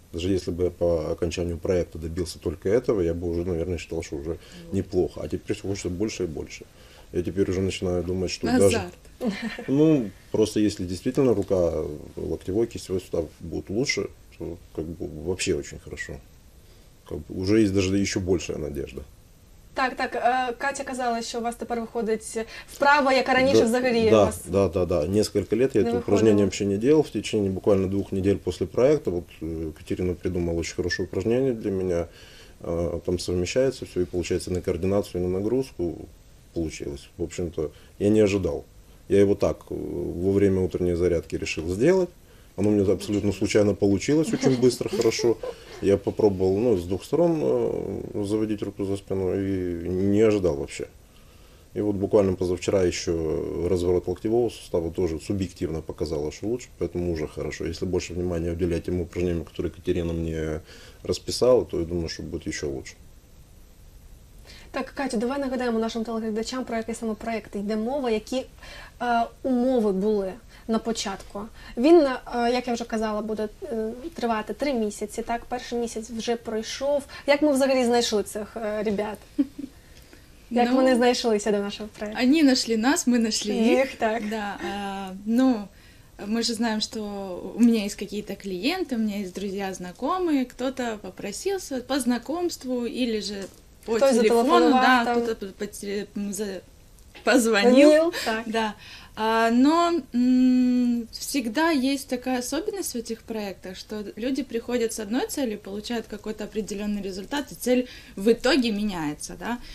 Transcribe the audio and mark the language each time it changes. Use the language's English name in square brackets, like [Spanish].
[Russian] Даже если бы я по окончанию проекта добился только этого, я бы уже, наверное, считал, что уже неплохо. А теперь все хочется больше и больше. Я теперь уже начинаю думать, что азарт. Даже... Ну, просто если действительно рука, локтевой, кистевой сустав будут лучше, то как бы вообще очень хорошо. Как бы уже есть даже еще большая надежда. [Ukrainian] Так, так. Катя казала, що у вас тепер виходить вправа, яка раніше взагалі у вас. Так, так, так, так. [Russian] Несколько лет я [Ukrainian] це упражнення взагалі не робив. [Russian] В течение буквально 2 недель [Ukrainian] після проекту. Вот Катерина придумала дуже хороше упражнення для мене. Там совмещається все, і виходить на координацію, на нагрузку. [Russian] Получилось. В общем-то, я не ожидал. Я його так во время утренней зарядки решил сделать. Оно у меня абсолютно случайно получилось, очень быстро, хорошо. Я попробовал, ну, с двух сторон заводить руку за спину и не ожидал вообще. И вот буквально позавчера еще разворот локтевого сустава тоже субъективно показало, что лучше, поэтому уже хорошо. Если больше внимания уделять тем упражнениям, которые Катерина мне расписала, то я думаю, что будет еще лучше. [Ukrainian] Так, Катю, давай нагадаємо нашим телеглядачам, про який саме проєкт йде мова, які умови були на початку. Він, як я вже казала, буде тривати 3 місяці, так? Перший місяць вже пройшов. Як ми взагалі знайшли цих ребят? Як ну, вони знайшлися до нашого проєкту? Вони знайшли нас, ми знайшли їх. Так. Да, ну, ми ж знаємо, що у мене є якісь клієнти, у мене є друзі, знайомі, хтось попросився по знайомству, або ж... [Russian] по телефону, да, кто-то позвонил. Звонил, да. Но всегда есть такая особенность в этих проектах, что люди приходят с одной целью, получают какой-то определенный результат, и цель в итоге меняется, да.